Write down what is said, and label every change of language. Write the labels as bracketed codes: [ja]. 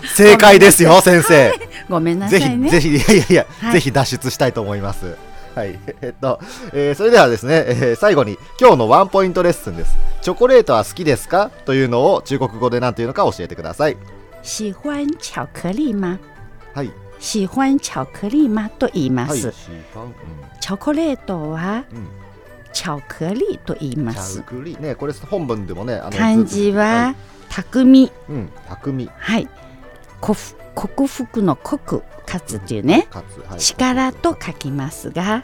[ja] 正解ですよ先生、はい、ごめんなさいね。ぜひぜひ、いやいや、はい、ぜひ脱出したいと思います。はい、それではですね、最後に今日のワンポイントレッスンです。チョコレートは好きですか？というのを中国語で何というのか教えてください。 [zh] 喜欢巧克力吗？ [ja] はい、 [zh] 喜欢巧克力吗 [ja] と言います、はい、 [zh] 喜欢、 [ja] うん、チョコレートは、うん、巧克力と言います。巧克力、ね、これ本文でもね、漢字は、はい、匠、うん、匠、はい、克服の克、勝つというね、勝つ、はい、力と書きますが、